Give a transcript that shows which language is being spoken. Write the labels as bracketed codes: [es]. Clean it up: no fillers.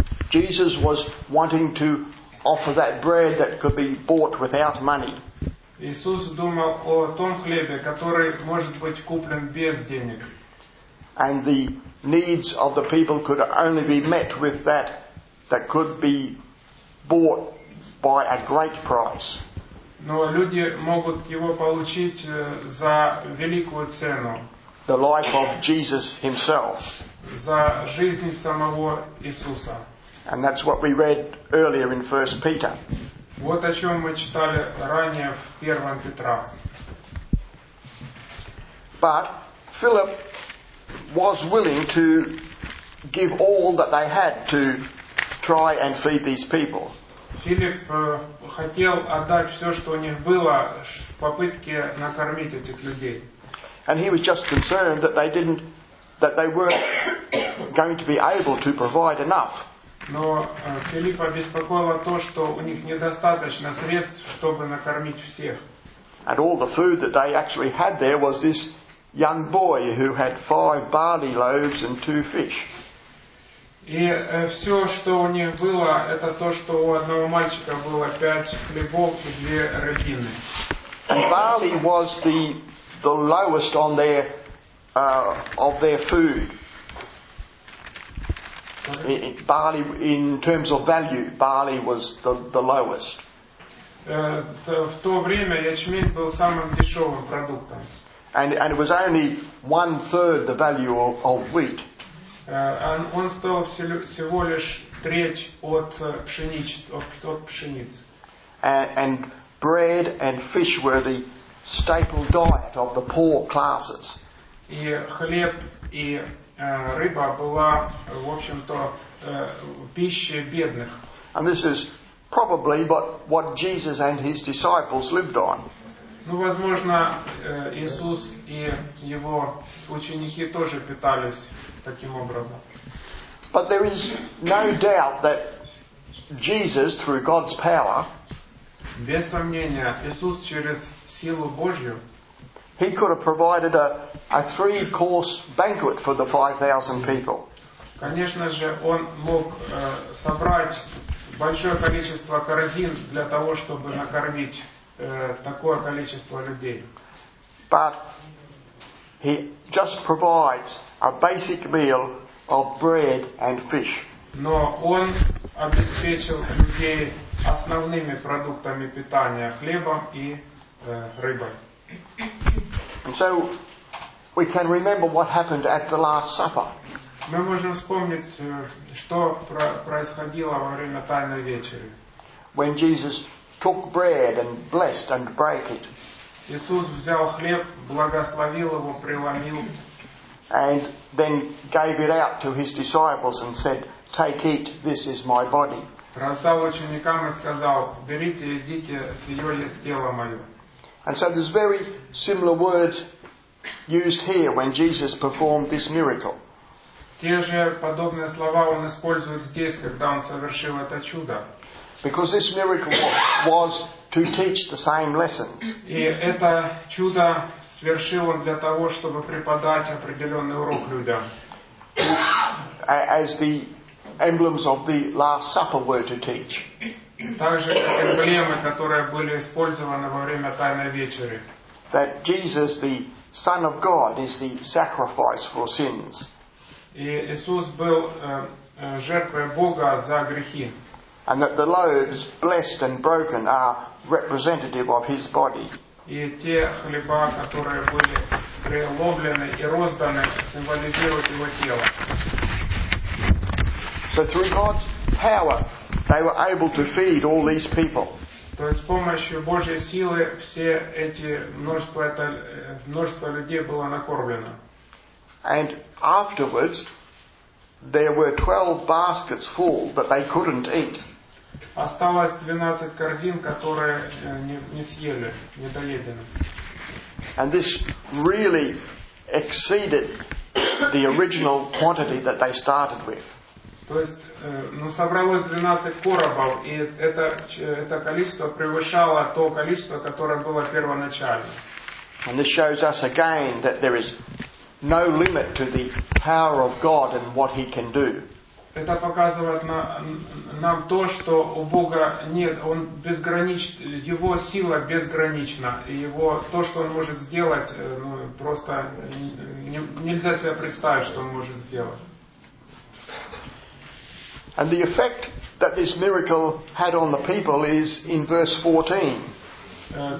[en] Jesus was wanting to offer that bread that could be bought without money. [ru] Иисус думал о том хлебе, который может быть куплен без денег. [en] And the needs of the people could only be met with that could be bought by a great price. [ru] Но люди могут его получить за великую цену. [en] The life of Jesus himself. [ru] За жизнь самого Иисуса. [en] And that's what we read earlier in 1 Peter. [ru] Вот о чем мы читали ранее в 1 Петра. [en] But Philip was willing to give all that they had to try and feed these people. [ru] Филипп хотел отдать все, что у них было, в попытке накормить этих людей. [en] And he was just concerned that they weren't going to be able to provide enough. [ru] Но Филиппа беспокоило то, что у них недостаточно средств, чтобы накормить всех. [en] And all the food that they actually had there was this young boy who had 5 barley loaves and 2 fish. [ru] И все, что у них было, это то, что у одного мальчика было 5 хлебов и 2 рыбины. [en] And barley was the lowest on their food. Barley, in terms of value, barley was the lowest. [ru] В то время ячмень был самым дешевым продуктом. [en] And it was only one third the value of wheat. [ru] Он стоил всего лишь треть от пшеницы. [en] And bread and fish were the staple diet of the poor classes. [ru] И хлеб и рыба была, в общем-то, пищей бедных. [en] And this is probably what Jesus and his disciples lived on. [ru] Ну, возможно, Иисус и его ученики тоже питались таким образом. [en] But there is no doubt that Jesus, through God's power, [ru] без сомнения, Иисус через силу Божью, [en] he could have provided a 3-course banquet for the 5,000 people. [ru] Конечно же, он мог собрать большое количество корзин для того, чтобы накормить такое количество людей. [en] But he just provides a basic meal of bread and fish. [ru] Но он обеспечил людей основными продуктами питания, хлебом и рыбой. [en] And so we can remember what happened at the Last Supper. [ru] Мы можем вспомнить, что происходило во время Тайной вечери. [en] When Jesus took bread and blessed and broke it. [ru] Иисус взял хлеб, благословил его, преломил. [en] And then gave it out to his disciples and said, "Take eat, this is my body." [ru] Раздал ученикам и сказал: "Берите, едите, сие есть тело мое." [en] And so there's very similar words used here when Jesus performed this miracle. [ru] Те же подобные слова он использует здесь, когда он совершил это чудо. [en] Because this miracle was to teach the same lessons. [ru] И это чудо совершил он для того, чтобы преподать определенный урок людям. [en] As the emblems of the Last Supper were to teach. [ru] Также эмблемы, которые были использованы во время Тайной вечери. [en] That Jesus, the Son of God, is the sacrifice for sins. [ru] И Иисус был жертвой Бога за грехи. [en] and that the loaves, blessed and broken, are representative of his body. [ru] И те хлеба, которые были приловлены и розданы, символизируют его тело. [en] So through God's power, they were able to feed all these people. [ru] То есть с помощью Божьей силы все эти множество людей было накормлено. [en] And afterwards, there were 12 baskets full that they couldn't eat. [ru] Осталось 12 корзин, которые не съели, не доедены. [en] And this really exceeded the original quantity that they started with. [ru] То есть, ну, собралось 12 коробов, и это количество превышало то количество, которое было первоначально. [en] And this shows us again that there is no limit to the power of God and what he can do. [ru] Это показывает нам то, что у Бога нет, он безграничен, его сила безгранична, и его то, что он может сделать, ну, просто нельзя себе представить, что он может сделать. [en] And the effect that this miracle had on the people is in verse 14.